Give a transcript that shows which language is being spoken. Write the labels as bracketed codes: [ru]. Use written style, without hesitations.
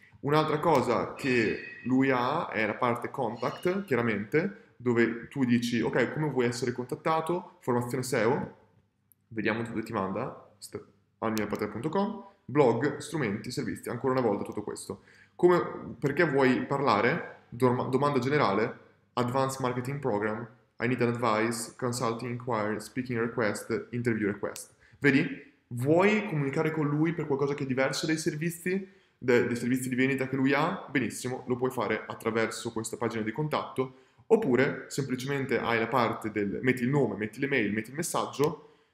[it] Un'altra cosa che lui ha è la parte contact, chiaramente, dove tu dici, ok, come vuoi essere contattato? Formazione SEO, vediamo dove ti manda, almiapater.com, blog, strumenti, servizi, ancora una volta tutto questo. Come, perché vuoi parlare? Domanda generale, [en] advanced marketing program, I need an advice, consulting inquiry, speaking request, interview request. [it] Vedi? Vuoi comunicare con lui per qualcosa che è diverso dai servizi? Dei servizi di vendita che lui ha? Benissimo, lo puoi fare attraverso questa pagina di contatto. Oppure, semplicemente hai la parte del... metti il nome, metti l'email, metti il messaggio.